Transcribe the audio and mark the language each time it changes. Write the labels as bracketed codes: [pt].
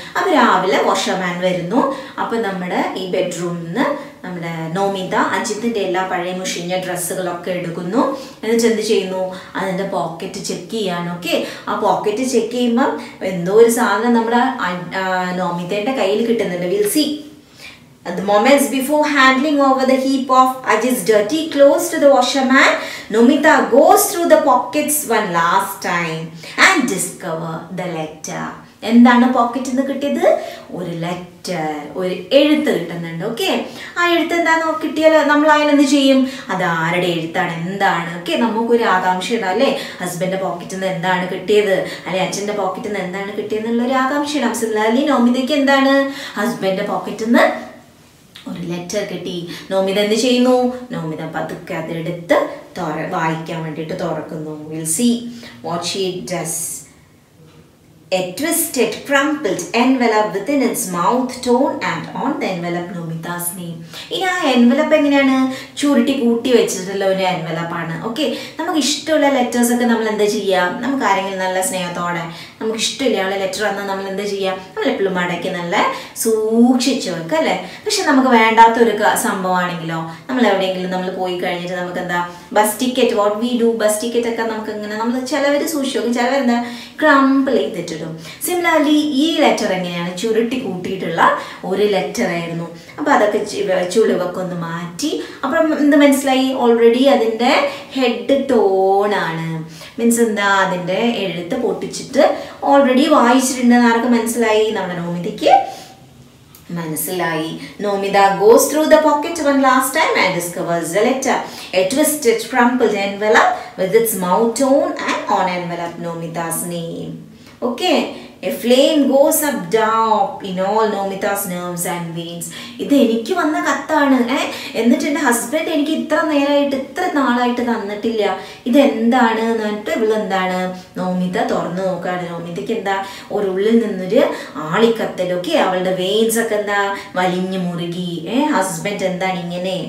[ml] അപ്പൊ രാവിലെ വാഷർമാൻ വരുന്നു. അപ്പൊ നമ്മുടെ ഈ ബെഡ്റൂമിൽ നിന്ന് നമ്മുടെ നോമിത അജിത്തിന്റെ എല്ലാ പഴയ മുഷിഞ്ഞ ഡ്രസ്സുകളൊക്കെ എടുക്കുന്നു. എന്നിട്ട് എന്ത് ചെയ്യുന്നു, അതിന്റെ പോക്കറ്റ് ചെക്ക് ചെയ്യാൻ. ഓക്കെ, ആ പോക്കറ്റ് ചെക്ക് ചെയ്യുമ്പം എന്തോ ഒരു സാധനം നമ്മുടെ നോമിതന്റെ കയ്യിൽ കിട്ടുന്നുണ്ട്. [en] Will see. The moments before handling over the heap of Ajith's dirty clothes to the washerman, Nomitha goes through the pockets one last time and discover the letter. [ml] എന്താണ് പോക്കറ്റിൽ നിന്ന് കിട്ടിയത്? ഒരു ലെറ്റർ, ഒരു എഴുത്ത് കിട്ടുന്നുണ്ട്. ഓക്കെ, ആ എഴുത്ത് എന്താണെന്ന് കിട്ടിയാൽ നമ്മൾ അതിലെന്ത് ചെയ്യും? അത് ആരുടെ എഴുത്താണ്, എന്താണ്? ഓക്കെ, നമുക്കൊരു ആകാംക്ഷ ഇടാം അല്ലേ, ഹസ്ബൻഡിന്റെ പോക്കറ്റിൽ നിന്ന് എന്താണ് കിട്ടിയത് അല്ലെങ്കിൽ അച്ഛൻ്റെ പോക്കറ്റിൽ നിന്ന് എന്താണ് കിട്ടിയതെന്നുള്ളൊരു ആകാംക്ഷ ഇടാം. സിമിലർലി നോമിതയ്ക്ക് എന്താണ്, ഹസ്ബൻഡിന്റെ പോക്കറ്റിൽ നിന്ന് ഒരു ലെറ്റർ കിട്ടി. നോമിത എന്ത് ചെയ്യുന്നു? നോമിത പതുക്കെ അതെടുത്ത് വായിക്കാൻ വേണ്ടിയിട്ട് തുറക്കുന്നു. [en] Will see what she does. A twisted, crumpled envelope within its mouth, torn and on the envelope, Nomitha's name. [ml] ഇനി ആ എൻവലപ്പ് എങ്ങനെയാണ്, ചുരുട്ടി കൂട്ടി വെച്ചിട്ടുള്ള ഒരു എൻവലപ്പാണ്. ഓക്കെ, നമുക്ക് ഇഷ്ടമുള്ള ലെറ്റേഴ്സൊക്കെ നമ്മൾ എന്താ ചെയ്യാം, നമുക്ക് ആരെങ്കിലും നല്ല സ്നേഹത്തോടെ നമുക്ക് ഇഷ്ടമില്ലാത്ത ലെറ്റർ വന്നാൽ നമ്മൾ എന്താ ചെയ്യാം, നമ്മൾ എപ്പോഴും അടയ്ക്ക് നല്ല സൂക്ഷിച്ചു വെക്കുക അല്ലേ. പക്ഷെ നമുക്ക് വേണ്ടാത്തൊരു സംഭവമാണെങ്കിലോ, നമ്മൾ എവിടെയെങ്കിലും നമ്മൾ പോയി കഴിഞ്ഞിട്ട് നമുക്ക് എന്താ bus ticket, [en] what we do, [ml] bus ticket ഒക്കെ നമുക്ക് ഇങ്ങനെ നമ്മൾ ചിലവർ സൂക്ഷിച്ചു വെക്കും, ചിലവർ എന്താ ക്രംപ് ചെയ്തിട്ടിടും. സിമിലർലി ഈ ലെറ്റർ എങ്ങനെയാണ്, ചുരുട്ടി കൂട്ടിയിട്ടുള്ള ഒരു ലെറ്റർ ആയിരുന്നു. അപ്പൊ അതൊക്കെ ചുളിവൊക്കെ ഒന്ന് മാറ്റി, അപ്പം എന്ത് മനസ്സിലായി, ഓൾറെഡി അതിൻ്റെ ഹെഡ് ടോണാണ്, മീൻസ് എന്താ അതിൻ്റെ എഴുത്ത് പൊട്ടിച്ചിട്ട് ഓൾറെഡി വായിച്ചിട്ടുണ്ടെന്ന് ആർക്ക് മനസ്സിലായി, നമ്മുടെ നോമിതയ്ക്ക് മനസ്സിലായി. [en] Nomitha goes through the pocket one last time and discovers a letter. A twisted crumpled envelope with its mouth torn and on envelope Nomitha's name. Okay, A flame goes up top in all Nomitha's nerves and veins. [ml] ഇത് എനിക്ക് വന്ന കത്താണ് എന്നിട്ട് എൻ്റെ husband എനിക്ക് ഇത്ര നേരമായിട്ട് ഇത്ര നാളായിട്ട് തന്നിട്ടില്ല ഇതെന്താണ് എന്നിട്ട് ഇവളെന്താണ് നോമിത തുറന്നു നോക്കുകയാണ്. നോമിതയ്ക്ക് എന്താ ഒരു ഉള്ളിൽ നിന്നൊരു ആളിക്കത്തൽ. ഓക്കെ, അവളുടെ വെയിൻസ് ഒക്കെ എന്താ വലിഞ്ഞു മുറുകി. ഹസ്ബൻഡ് എന്താണ് ഇങ്ങനെ.